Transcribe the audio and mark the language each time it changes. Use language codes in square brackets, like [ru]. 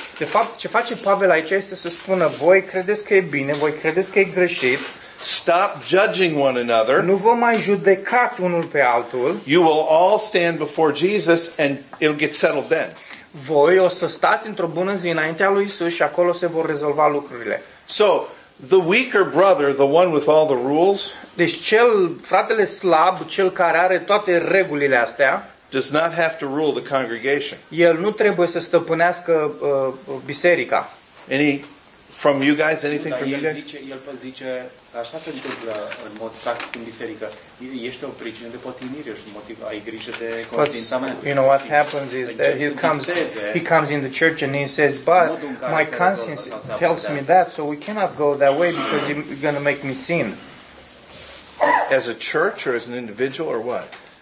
[ro] De fapt, ce face Pavel aici este să spună, voi credeți că e bine, voi credeți că e greșit. [en] Stop judging one another. [ro] Nu vă mai judecați unul pe altul. [en] You will all stand before Jesus and it'll get settled then. [ro] voi o să stați într-o bună zi înaintea lui Isus și acolo se vor rezolva lucrurile. [en] So, the weaker brother, the one with all the rules, [ro] deci cel fratele slab, cel care are toate regulile astea, [en] does not have to rule the congregation. [ro] El nu trebuie să stăpânească biserica. [en] Any from you guys, anything from you guys? [ro] El zice, așa se întâmplă în mod practic în biserică. Ești o pricină de potinire, ești un motiv, ai grijă de conștiința mea. [en] You know what happens is that he comes in the church and he says, but my conscience tells me that, so we cannot go that way because you're going to make me sin. As a church or as an individual or what?